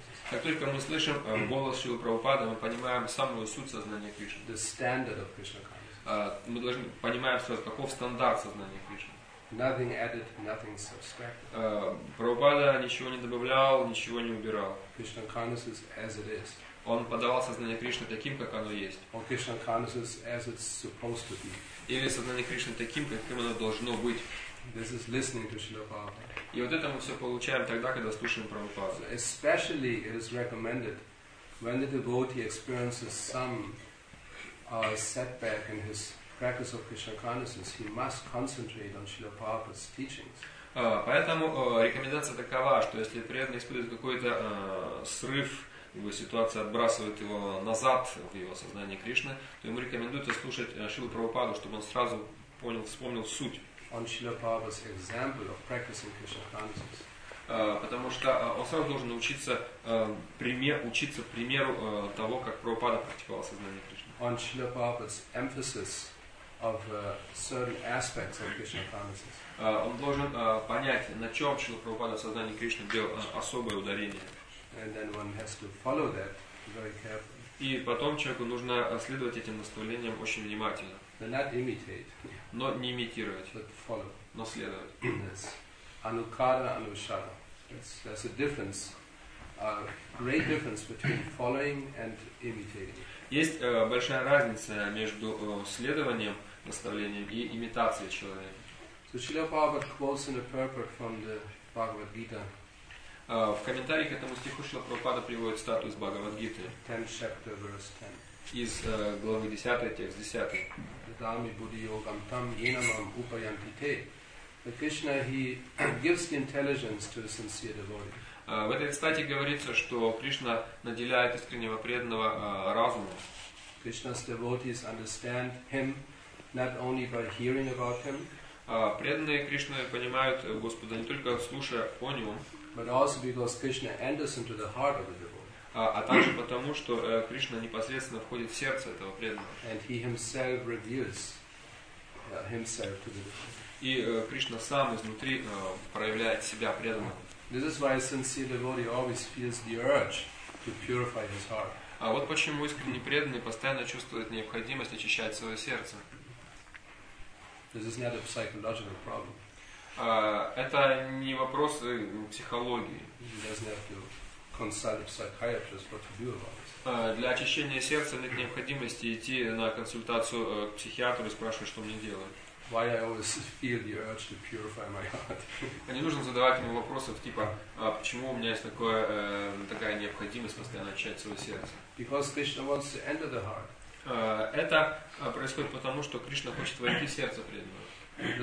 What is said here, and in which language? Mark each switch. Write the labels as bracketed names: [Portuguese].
[Russian] Как только мы слышим голос Шрилы Прабхупады, мы понимаем самую суть сознания Кришны. [English] The standard of Krishna consciousness. [Russian] Мы должны понимаем сразу, каков стандарт сознания Кришны. [English] Nothing added, nothing subtracted. [Russian] Прабхупада ничего не добавлял, ничего не убирал. [English] Krishna consciousness as it is. [Russian] Он подавал сознание Кришны таким, как оно есть. [English] Or Krishna consciousness as it's supposed to be. [Russian] Или сознание Кришны таким, каким оно должно быть. [English] This is listening to Srila Prabhupada. [Russian] И вот это мы все получаем тогда, когда слушаем Прабхупаду. [English] So especially it is recommended when the devotee experiences some setback in his practice of Krishna consciousness, he must concentrate on Srila Prabhupada's teachings. [Russian] Поэтому рекомендация такова, что если преданный испытывает какой-то срыв, его ситуация отбрасывает его назад в его сознание Кришны, то ему рекомендуется слушать Шрилу Прабхупаду, чтобы он сразу понял, вспомнил суть. [English] On Srila Prabhupada's example of practicing Krishna consciousness. [Russian] Потому что он сразу должен учиться примеру того, как Прабхупада практиковал сознание Кришны. [English] On Srila Prabhupada's emphasis of certain aspects of Krishna consciousness. [Russian] Он должен понять, на чем Шрила Прабхупада в сознании Кришны делал особое ударение. [English] And then one has to follow that very carefully. [Russian] И потом человеку нужно следовать этим наставлениям очень внимательно. [English] But not imitate. [Russian] Но не имитировать. [English] But follow. [Russian] Но следовать. [English] That's anukara anushara. That's a difference great difference between following and imitating. [Russian] Есть большая разница между следованием наставлением и имитацией человека. [English] So Srila Prabhupada quotes in a purport from the Bhagavad Gita. [Russian] В комментарии к этому стиху Шрила Прабхупада приводит цитату из Бхагавад Гиты. [English] 10th chapter, verse 10. [Russian] Из главы 10, текст 10. [Sanskrit] Dami buddhi yogam tam yenamam upayantite. [English] The Krishna, he gives the intelligence to a sincere devotee. [Russian] В этой цитате говорится, что Кришна наделяет искреннего преданного разумом. [English] Krishna's devotees understand him not only by hearing about him. [Russian] Преданные Кришны понимают Господа не только слушая о нем. [English] But also because Krishna enters into the heart of the devotee. [Russian] А также потому, что Кришна непосредственно входит в сердце этого преданного. [English] And he himself reveals himself to the devotee. [Russian] И Кришна сам изнутри проявляет себя преданному. [English] This is why a sincere devotee always feels the urge to purify his heart. [Russian] А вот почему искренне преданный постоянно чувствует необходимость очищать свое сердце. [English] This is not a psychological problem. [Russian] Это не вопрос психологии. [English] He doesn't have to consult a psychiatrist what to do about it. [Russian] Для очищения сердца нет необходимости идти на консультацию к психиатру и спрашивать, что мне делать. [English] Why I always feel the urge to purify my heart. [Russian] Не нужно задавать ему вопросов типа, почему у меня есть такая необходимость постоянно очищать свое сердце. [English] Because Krishna wants to enter the heart. [Russian] Это происходит потому, что Кришна хочет войти в сердце преданного.